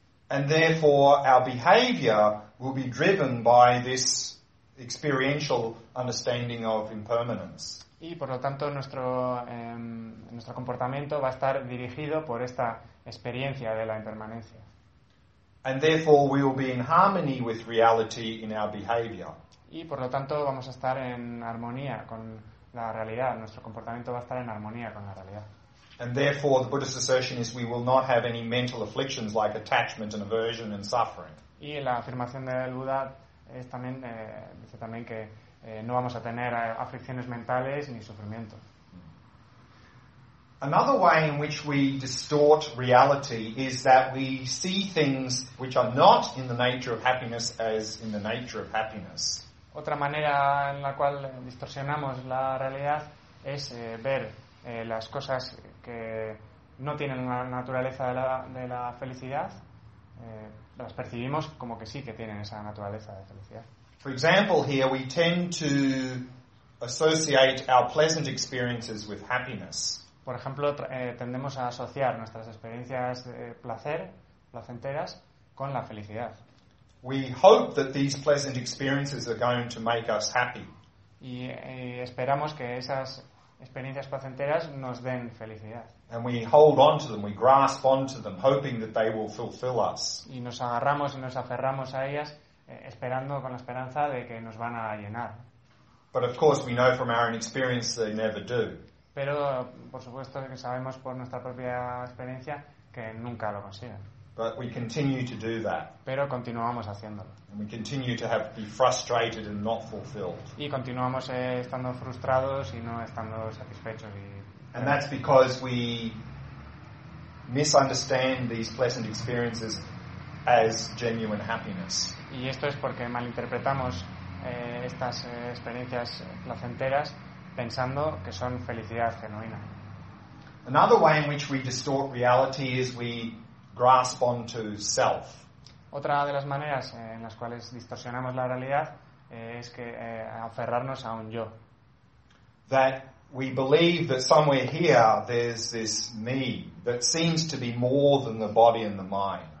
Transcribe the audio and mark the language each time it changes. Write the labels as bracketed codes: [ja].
[en] And therefore our behavior will be driven by this experiential understanding of impermanence. [es] Y por lo tanto nuestro comportamiento va a estar dirigido por esta experiencia de la impermanencia. [en] And therefore we will be in harmony with reality in our behavior. [es] Y por lo tanto vamos a estar en armonía con la realidad, nuestro comportamiento va a estar en armonía con la realidad. [en] And therefore the Buddhist assertion is we will not have any mental afflictions like attachment and aversion and suffering. [es] Y la afirmación del Buda es también dice también que no vamos a tener aflicciones mentales ni sufrimiento. [en] Another way in which we distort reality is that we see things which are not in the nature of happiness as in the nature of happiness. [es] Otra manera en la cual distorsionamos la realidad es ver las cosas que no tienen la naturaleza de la felicidad, las percibimos como que sí que tienen esa naturaleza de felicidad. [en] For example, here we tend to associate our pleasant experiences with happiness. [es] Por ejemplo, tendemos a asociar nuestras experiencias de placer, placenteras, con la felicidad. [en] We hope that these pleasant experiences are going to make us happy. [es] Y esperamos que esas experiencias placenteras nos den felicidad. [en] And we hold on to them, we grasp onto them, hoping that they will fulfill us. [es] Y nos agarramos y nos aferramos a ellas, esperando con la esperanza de que nos van a llenar. [en] But of course, we know from our own experience they never do. [es] Pero por supuesto que sabemos por nuestra propia experiencia que nunca lo consiguen. [en] But we continue to do that. [es] Pero continuamos haciéndolo. [en] And we continue to have be frustrated and not fulfilled. [es] Y continuamos estando frustrados y no estando satisfechos. Y [en] and that's because we misunderstand these pleasant experiences as genuine happiness. [es] Y esto es porque malinterpretamos estas experiencias placenteras pensando que son felicidad genuina. [en] Another way in which we distort reality is we grasp onto self. [es] Otra de las maneras en las cuales distorsionamos la realidad es que aferrarnos a un yo. [en] That we believe that somewhere here there's this me that seems to be more than the body and the mind.